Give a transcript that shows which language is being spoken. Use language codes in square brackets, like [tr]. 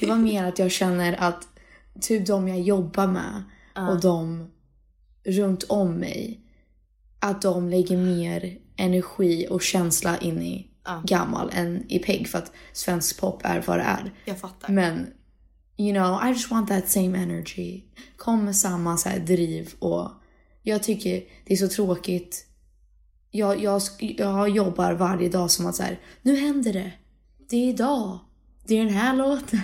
[sv] Det var mer att jag känner att typ de jag jobbar med och de runt om mig, att de lägger mer energi och känsla in i gammal än i Peg, för att svensk pop är vad det är. Jag fattar. [en] Men, you know, I just want that same energy. [sv] Kom med samma så här driv. Och jag tycker det är så tråkigt. Jag jobbar varje dag som att så här, nu händer det. Det är idag. Det är den här låten.